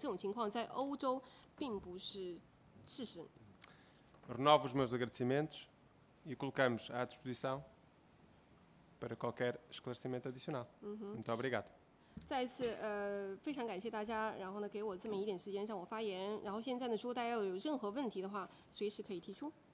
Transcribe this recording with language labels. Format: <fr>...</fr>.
<zh>OK，这种供求关系的平衡呢，首先来说要满足自己国内的需求，但是现在呢，这种情况在欧洲并不是事实。</zh> <pt>Renovo os meus agradecimentos e colocamos à disposição para qualquer esclarecimento adicional. Muito obrigado.</pt> <zh>再一次，非常感谢大家，然后呢，给我这么一点时间让我发言。然后现在呢，如果大家有任何问题的话，随时可以提出。</zh>